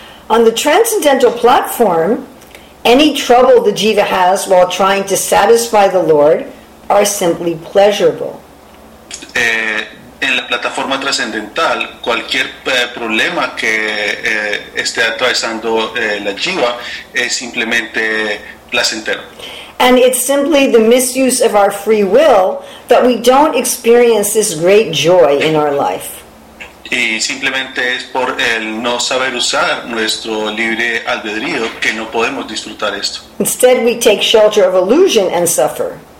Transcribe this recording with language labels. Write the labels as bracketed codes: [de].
[en] On the transcendental platform, any trouble the jiva has while trying to satisfy the Lord are simply pleasurable. [es] En la plataforma trascendental, cualquier problema que esté atravesando la jiva es simplemente placentero. [en] And it's simply the misuse of our free will that we don't experience this great joy in our life. [es] y simplemente es por el no saber usar nuestro libre albedrío que no podemos disfrutar esto. [en] Instead, we take shelter of illusion and suffer.